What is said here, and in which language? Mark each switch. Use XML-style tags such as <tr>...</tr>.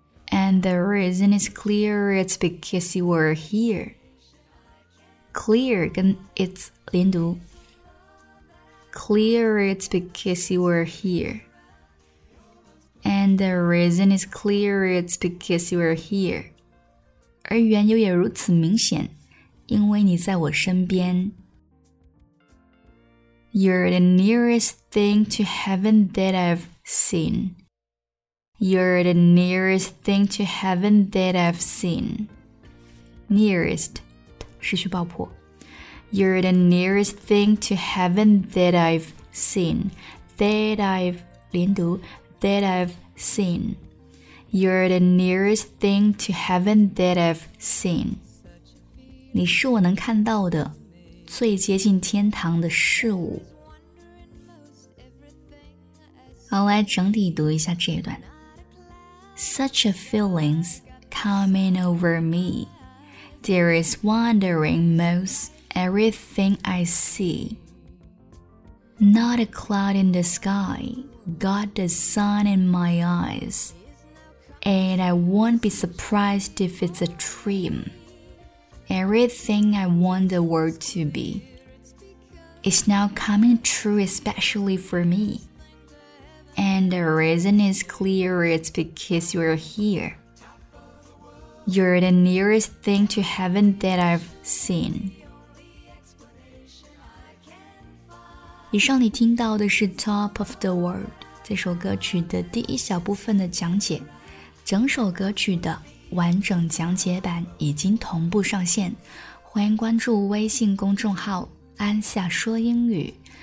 <en>And the reason is clear, it's because you were here.</en> <zh>Clear 跟 it's 连读。</zh> <en>Clear, it's because you were here. And the reason is clear, it's because you were here.</en> <zh>而缘由也如此明显，因为你在我身边。</zh> <en>You're the nearest thing to heaven that I've seen. You're the nearest thing to heaven that I've seen. Nearest, 失去爆破。 You're the nearest thing to heaven that I've seen. That I've,</en> <zh>连读,</zh> <en>that I've seen. You're the nearest thing to heaven that I've seen.</en> <zh>你是我能看到的最接近天堂的事物。好，来整体读一下这一段。</zh> <en>Such a feeling's coming over me. There is wandering most everything I see. Not a cloud in the sky, got the sun in my eyes. And I won't be surprised if it's a dream. Everything I want the world to be is now coming true especially for me. And the reason is clear, it's because you're here. You're the nearest thing to heaven that I've seen.</en> <zh>以上你听到的是 Top of the World 这首歌曲的第一小部分的讲解。整首歌曲的完整讲解版已经同步上线，欢迎关注微信公众号安夏说英语。</zh>